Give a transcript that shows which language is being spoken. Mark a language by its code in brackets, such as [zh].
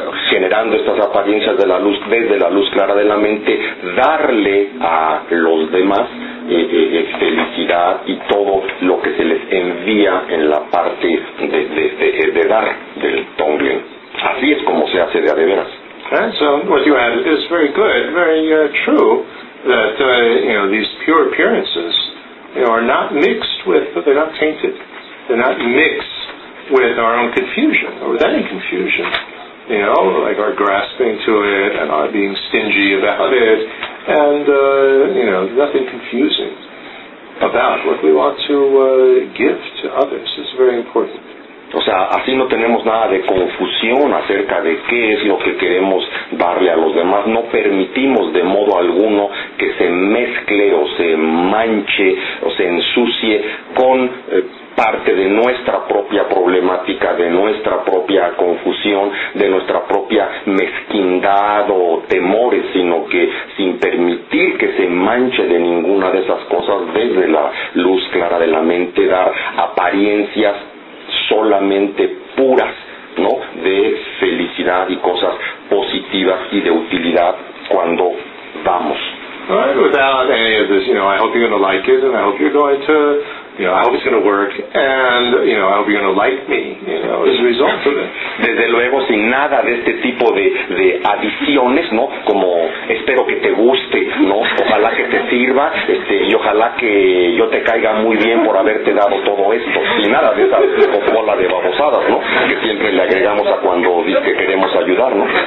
[es] generando estas apariencias de la luz, desde la luz clara de la mente, darle a los demás felicidad y todo lo que se les envía en la parte de dar del Tonglen. Así es como se hace de a de veras. [en] Okay, so what you added is very good, very true, that you know, these pure appearances, you know, are not mixed with, they're not tainted, they're not mixed with our own confusion or with any confusion, you know, like our grasping to it and our being stingy about it. And, you know, nothing confusing about what we want to give to others. It's very important. [es] O sea, así no tenemos nada de confusión acerca de qué es lo que queremos darle a los demás. No permitimos de modo alguno que se mezcle o se manche o se ensucie con parte de nuestra propia problemática, de nuestra propia confusión, de nuestra propia mezquindad o temores, sino que sin permitir que se manche de ninguna de esas cosas, desde la luz clara de la mente, dar apariencias solamente puras, ¿no?, de felicidad y cosas positivas y de utilidad cuando vamos. [en] Right, without any of this, you know, I hope you're going to like it, and I hope you're going to, you know, I hope it's going to work, and, you know, I hope you're going to like me, you know, as a result of it. [es] Desde luego, sin nada de este tipo de adiciones, ¿no?, como espero que te guste, ¿no?, ojalá que te sirva, y ojalá que yo te caiga muy bien por haberte dado todo esto, sin nada de esa bola de babosadas, ¿no?, que siempre le agregamos a cuando dice que queremos ayudar, ¿no?